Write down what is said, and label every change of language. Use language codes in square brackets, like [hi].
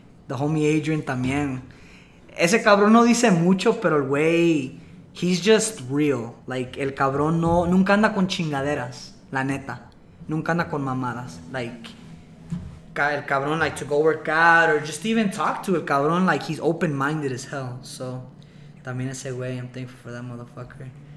[en] The homie [es] Adrian también. Ese cabrón no dice mucho, pero el güey, [en] he's just real. [es] Like, el cabrón no, nunca anda con chingaderas, la neta. Nunca anda con mamadas. [en] Like, el cabrón, like, to go work out or just even talk to el cabrón, like, he's open-minded as hell. So, [es] también ese güey, [en] I'm thankful for that motherfucker.